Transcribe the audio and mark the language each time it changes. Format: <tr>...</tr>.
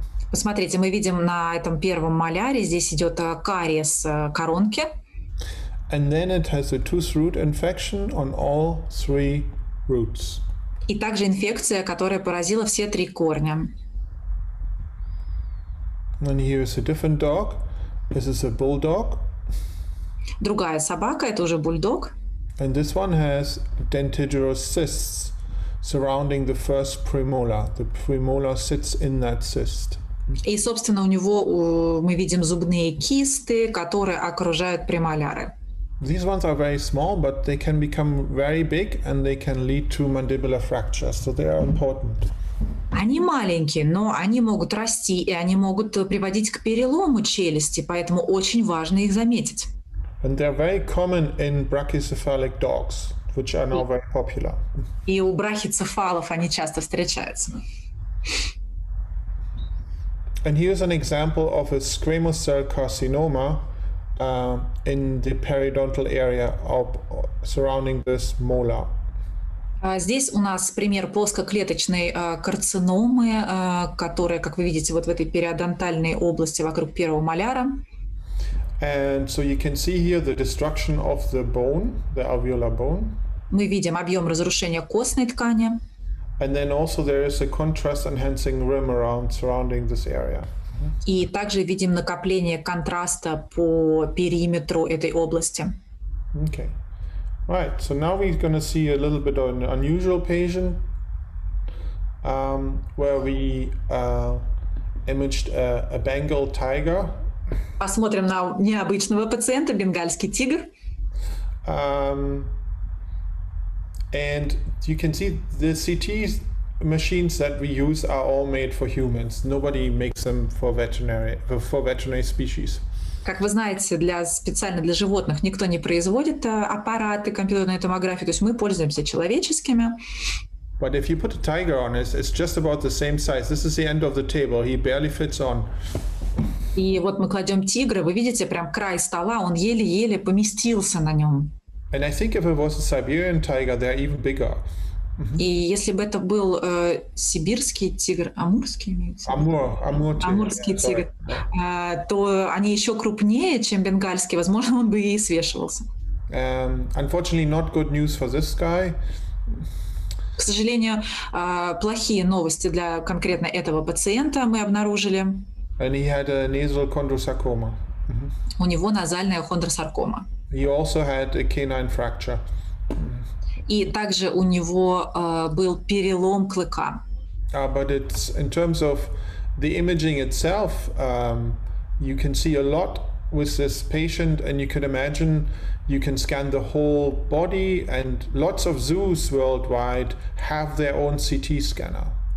<ru>Посмотрите, мы видим на этом первом моляре, здесь идет кариес коронки.</ru> <en>And then it has a tooth root infection on all three roots.</en> <ru>И также инфекция, которая поразила все три корня.</ru> <en>And here is a different dog. This is a bulldog.</en> <ru>Другая собака, это уже бульдог.</ru> <en>And this one has dentigerous cysts surrounding the first premolar. The premolar sits in that cyst.</en> <ru>И, собственно, у него мы видим зубные кисты, которые окружают премоляры.</ru> <en>These ones are very small, but they can become very big and they can lead to mandibular fractures, so they are important.</en> <ru>Они маленькие, но они могут расти и они могут приводить к перелому челюсти, поэтому очень важно их заметить.</ru> <en>And they are very common in brachycephalic dogs, which are now very popular.</en> <ru>И у брахицефалов они часто встречаются.</ru> <en>And here's an example of a squamous cell carcinoma in the periodontal area of surrounding this molar.</en> <ru>Здесь у нас пример плоскоклеточной карциномы, которая, как вы видите, вот в этой периодонтальной области вокруг первого моляра.</ru> <en>And so you can see here the destruction of the bone, the alveolar bone.</en> <ru>Мы видим объем разрушения костной ткани.</ru> <en>And then also there is a contrast-enhancing rim around surrounding this area.</en> <ru>И также видим накопление контраста по периметру этой области.</ru> <en>Okay. Right. So now we're going to see a little bit of an unusual patient, where we imaged a Bengal tiger.</en> <ru>Посмотрим на необычного пациента, бенгальский тигр.</ru> <en>And you can see the CT machines that we use are all made for humans. Nobody makes them for veterinary species.</en> <ru>Как вы знаете, специально для животных никто не производит аппараты компьютерной томографии, то есть мы пользуемся человеческими.</ru> <en>But if you put a tiger on, it's just about the same size. This is the end of the table. He barely fits on.</en> <ru>И вот мы кладем тигра, вы видите, прям край стола, он еле-еле поместился на нем.</ru> <en>And I think if it was a Siberian tiger, they're even bigger.</en> <ru>И если бы это был сибирский тигр, амурский имеется? Амурский тигр. То они еще крупнее, чем бенгальский, возможно, он бы и свешивался.</ru> <en>Unfortunately, not good news for this guy.</en> <ru>К сожалению, плохие новости для конкретно этого пациента мы обнаружили.</ru> <en>And he had a nasal chondrosarcoma. Mm-hmm.</en> <ru>У него назальная хондросаркома.</ru> <en>He also had a canine fracture.</en> <ru>И также у него был перелом клыка.</ru> <en>But it's in terms of the imaging itself, you can see a lot with this patient, and you can imagine you can scan the whole body, and lots of zoos worldwide have their own CT scanner.</en>